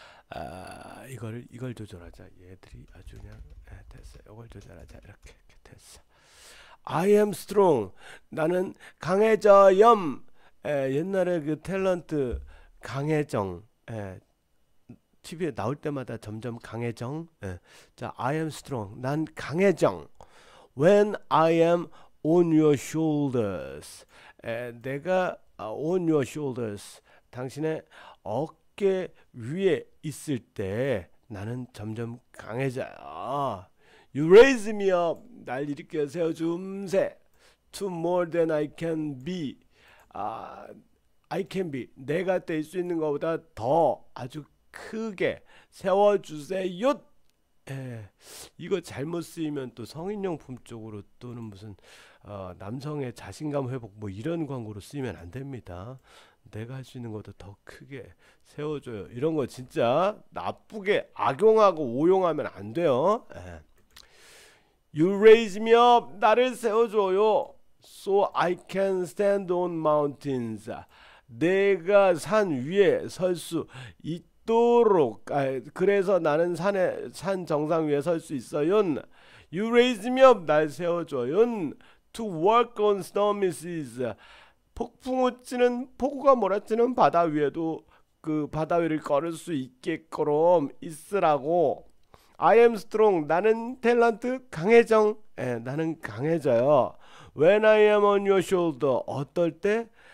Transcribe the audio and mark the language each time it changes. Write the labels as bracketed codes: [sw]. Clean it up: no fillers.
[ko] 아, 이걸 조절하자. 얘들이 아주 그냥 됐어. 이걸 조절하자. 이렇게 됐어. [en] I am strong. [ko] 나는 강해져염. 옛날에 그 탤런트 강해정. TV에 나올 때마다 점점 강해정. 자, [en] I am strong. [ko] 난 강해정. [en] When I am on your shoulders. [ko] 내가 [en] on your shoulders. [ko] 당신의 어깨 위에 있을 때 나는 점점 강해져. [en] You raise me up. [ko] 날 일으켜 세워줌세. [en] To more than I can be. I can be. [ko] 내가 될수 있는 것보다 더 아주 크게 세워주세요. 이거 잘못 쓰이면 또 성인용품 쪽으로 또는 무슨 남성의 자신감 회복 뭐 이런 광고로 쓰이면 안 됩니다. 내가 할수 있는 것도 더 크게 세워줘요. 이런 거 진짜 나쁘게 악용하고 오용하면 안 돼요. [en] You raise me up. [ko] 나를 세워줘요. [en] So I can stand on mountains. [ko] 내가 산 위에 설수 있. 도록 그래서 나는 산 정상 위에 설수 있어요. [en] You raise me up, [ko] 날 세워줘요. [en] To walk on stormy seas, [ko] 폭우가 몰아치는 바다 위에도 그 바다 위를 걸을 수 있게끔 있으라고. [en] I am strong, [ko] 나는 탤런트 강해정, 나는 강해져요. [en] When I am on your shoulder, [ko] 어떨 때?